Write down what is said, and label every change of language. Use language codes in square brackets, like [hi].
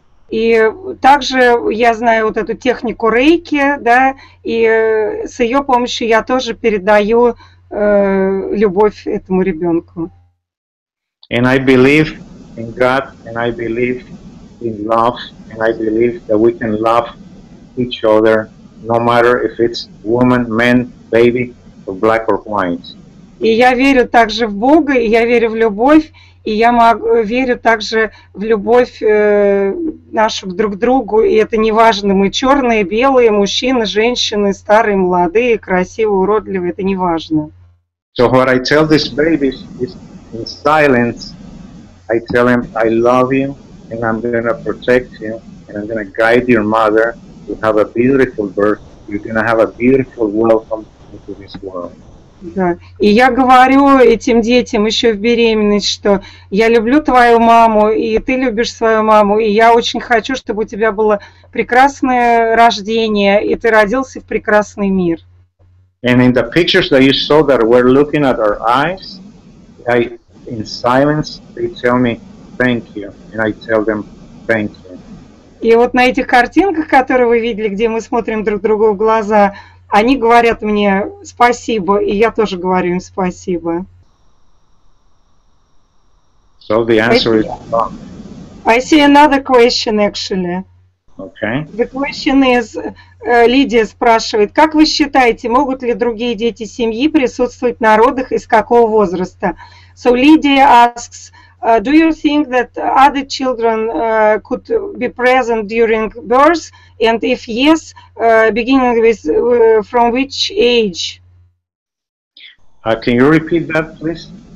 [ru] И также я знаю вот эту технику Рейки, да, и с ее помощью я тоже передаю любовь этому ребенку. [en] And I believe in God, and I believe in love, and I believe that we can love each other, no matter if it's woman, man, baby, or black or white. [ru] И я верю также в Бога, и я верю в любовь, и я верю также в любовь нашу друг к другу, и это не важно, мы черные, белые, мужчины, женщины, старые, молодые, красивые, уродливые, это не важно. [en] So what I tell these babies is in silence, I tell them I love you, and I'm going to protect you, and I'm going to guide your mother, you have a beautiful birth, you're going to have a beautiful welcome into this world. [ru] Да. И я говорю этим детям еще в беременность, что я люблю твою маму, и ты любишь свою маму, и я очень хочу, чтобы у тебя было прекрасное рождение, и ты родился в прекрасный мир. [en] And in the pictures that you saw that were looking at our eyes, I, in silence, they tell me thank you, and I tell them thank you. [ru] И вот на этих картинках, которые вы видели, где мы смотрим друг другу в глаза, они говорят мне спасибо, и я тоже говорю им спасибо. [en] So the answer is no. I see another question, actually. Okay. The question is, [ru] Лидия спрашивает, как вы считаете, могут ли другие дети семьи присутствовать на родах и с какого возраста? [en] So Lydia asks, do you think that other children could be present during birth? And if yes, beginning with from which age? Can you repeat that, please?